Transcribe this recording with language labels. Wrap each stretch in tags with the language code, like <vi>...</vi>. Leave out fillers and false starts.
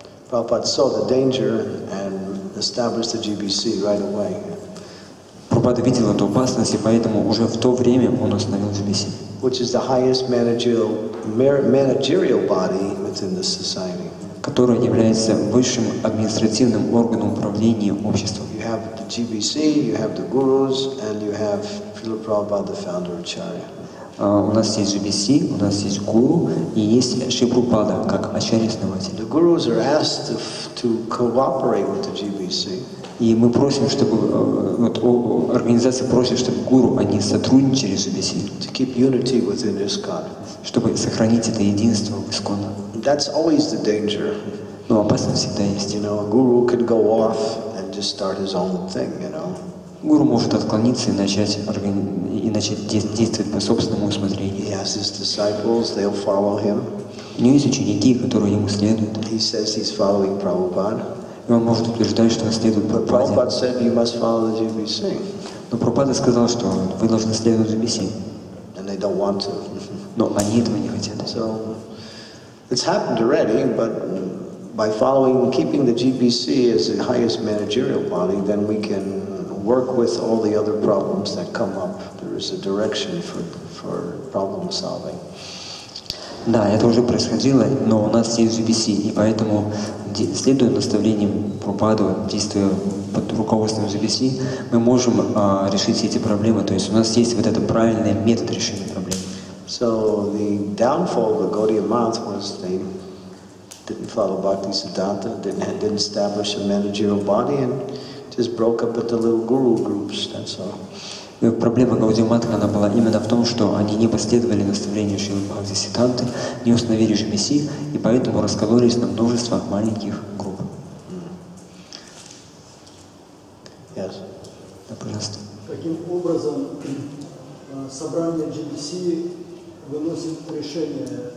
<en>Prabhupada saw the danger and established the GBC right away.</en> <ru>Prabhupada видел эту опасность, и поэтому уже в то время он установил GBC.</ru> <en>Which is the highest managerial body within the society.</en> <ru>Которая является высшим административным органом управления обществом.</ru> <en>You have the GBC, you have the gurus, and you have Srila Prabhupada, the founder of Acharya.</en> <ru>У нас есть GBC, у нас есть гуру, и есть Шри Прабхупада, как ачарья-основатель.</ru> <en>The gurus are asked to cooperate with the GBC.</en> <ru>И мы просим, чтобы организация просит, чтобы гуру, они сотрудничали с GBC.</ru> <en>To keep unity within ISKCON.</en> <ru>Чтобы сохранить это единство в ИСККОНе.</ru> <en>That's always the danger.</en> <ru>Но опасность всегда есть.</ru> <en>You know, a guru could go off and just start his own thing, you know.</en> <ru>Гуру может отклониться и начать действовать по собственному усмотрению.</ru> <en>He has his disciples, they'll follow him.</en> <ru>У него есть ученики, которые ему следуют.</ru> <en>He says he's following Prabhupada.</en> <ru>И он может утверждать, что он следует Прабхупаде.</ru> <en>But Prabhupada said you must follow the GBC.</en> <ru>Но Прабхупада сказал, что вы должны следовать GBC.</ru> <en>And they don't want to.</en> <ru>Но они этого не хотят.</ru> <en>So, it's happened already, but by following, keeping the GBC as the highest managerial body, then we can work with all the other problems that come up. There is a direction for problem solving.</en> <ru>Да, это уже происходило, но у нас есть GBC, и поэтому, следуя наставлениям Прабхупады, действуя под руководством GBC, мы можем решить все эти проблемы. То есть у нас есть вот этот правильный метод решения проблем.</ru> <en>So the downfall of the Gaudiya Math was they didn't follow Bhakti Siddhanta, didn't establish a managerial body, and just broke up into little guru groups. That's all.</en> <ru>И проблема Гаудия Матха, она была именно в том, что они не последовали наставлению Шрилы Бхакти Сиддханты, не установили GBC, и поэтому раскололись на множество маленьких групп.</ru> <en>Yes.</en> <ru>Да, пожалуйста. Каким образом собрание GBC выносит решение?</ru>